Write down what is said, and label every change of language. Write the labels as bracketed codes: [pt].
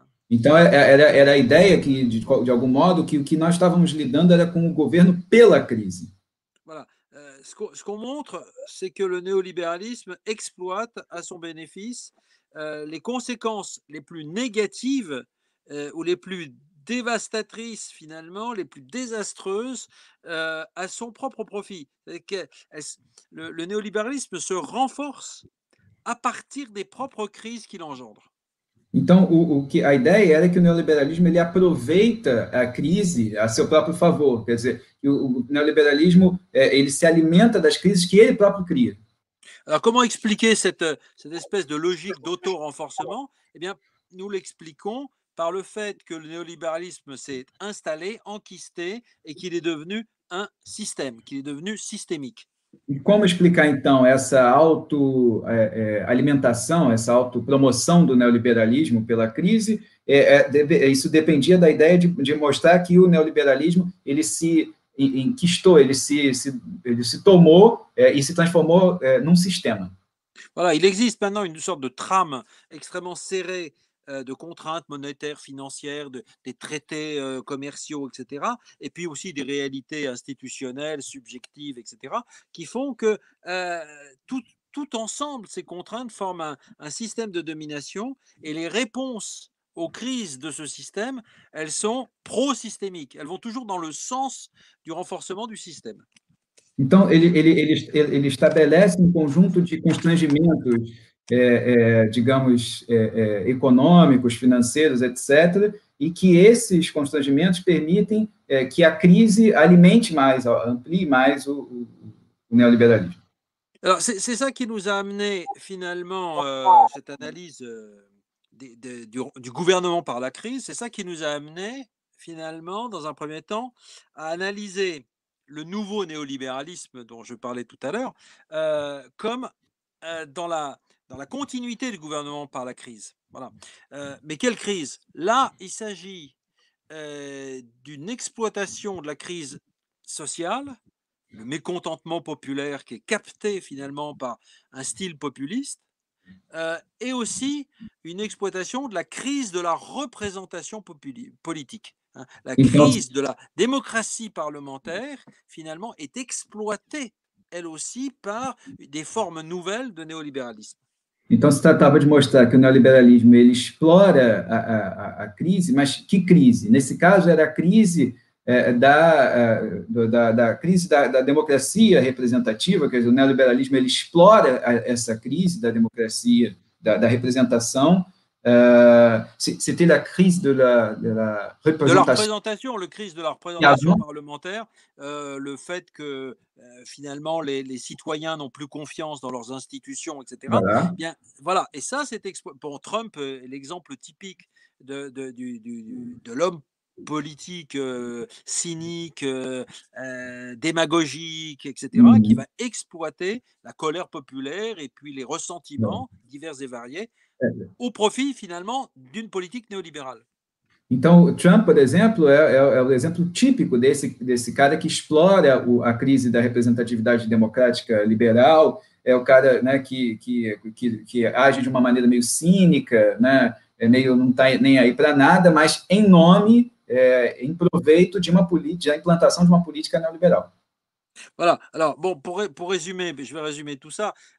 [pt] Então, era a ideia que, de algum modo, que o que nós estávamos lidando era com o governo pela crise. [fr] Voilà. Ce qu'on montre, c'est que le néolibéralisme exploite à son bénéfice les conséquences les plus négatives ou les plus dévastatrice finalement, les plus désastreuses à son propre profit. Le néolibéralisme se renforce à partir des propres crises qu'il engendre. [pt] Então, a ideia era que o neoliberalismo ele aproveita a crise a seu próprio favor. Quer dizer, o neoliberalismo ele se alimenta das crises que ele próprio cria. [fr] Alors, comment expliquer cette espèce de logique d'auto-renforcement? Eh bien, nous l'expliquons par le fait que le néolibéralisme s'est installé, enkysté, et qu'il est devenu un système, qu'il est devenu systémique. [pt] E como explicar, então, essa autoalimentação, essa autopromoção do neoliberalismo pela crise? Isso dependia da ideia de mostrar que o neoliberalismo ele se enquistou, ele se tomou e se transformou num sistema. [fr] Voilà, il existe maintenant une sorte de trame extrêmement serrée de contraintes monétaires, financières, des traités commerciaux, etc. Et puis aussi des réalités institutionnelles, subjectives, etc., qui font que tout ensemble, ces contraintes forment un système de domination et les réponses aux crises de ce système, elles sont pro-systémiques. Elles vont toujours dans le sens du renforcement du système. [pt] Então, ele estabelece um conjunto de constrangimentos, digamos, econômicos, financeiros, etc., e que esses constrangimentos permitem, que a crise alimente mais, amplie mais o neoliberalismo. [fr] Alors, c'est ça qui nous a amené finalement cette analyse du gouvernement par la crise. C'est ça qui nous a amené finalement, dans un premier temps, à analyser le nouveau néolibéralisme dont je parlais tout à l'heure comme dans la continuité du gouvernement par la crise. Voilà. Mais quelle crise ? Là, il s'agit d'une exploitation de la crise sociale. Le mécontentement populaire qui est capté finalement par un style populiste, et aussi une exploitation de la crise de la représentation politique. Hein, la crise de la démocratie parlementaire, finalement, est exploitée, elle aussi, par des formes nouvelles de néolibéralisme. [pt] Então, se tratava de mostrar que o neoliberalismo ele explora a crise, mas que crise? Nesse caso, era a crise... da crise da democracia representativa, quer dizer, o neoliberalismo ele explora essa crise da democracia, da representação. [fr] C'était la crise de la représentation. La crise de la représentation parlementaire, le fait que finalement les citoyens n'ont plus confiance dans leurs institutions, etc. Voilà. Bien, voilà. Et ça, c'est pour Trump, l'exemple typique de l'homme politique cynique, démagogique, etc., qui va exploiter la colère populaire et puis les ressentiments divers et variés au profit, finalement, d'une politique néolibérale. [pt] Então, Trump, por exemplo, é o exemplo típico desse cara que explora a crise da representatividade democrática liberal, é o cara, né, que age de uma maneira meio cínica, né, não está nem aí para nada, mas em nome... em proveito de uma política, da implantação de uma política neoliberal. [fr] Voilà. Alors, bon, pour résumer, je vais résumer tout ça.